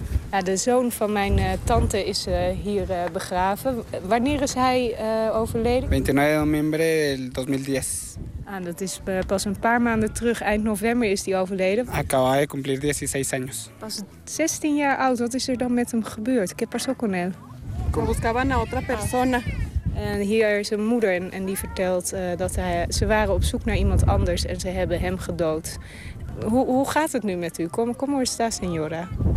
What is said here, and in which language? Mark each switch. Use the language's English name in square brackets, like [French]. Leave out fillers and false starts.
[Dutch] Ja, de zoon van mijn tante is hier begraven. Wanneer is hij overleden? 29 november 2010. Ah, dat is pas een paar maanden terug. Eind november is hij overleden. [Spanish] Acaba de cumplir 16 años. [Dutch] Pas 16 jaar oud. Wat is er dan met hem gebeurd? [Spanish] ¿Qué pasó con él? Como buscaban a otra persona. [Dutch] En hier is een moeder en die vertelt dat ze waren op zoek naar iemand anders en ze hebben hem gedood. Hoe gaat het nu met u? [Spanish] ¿Cómo está, señora?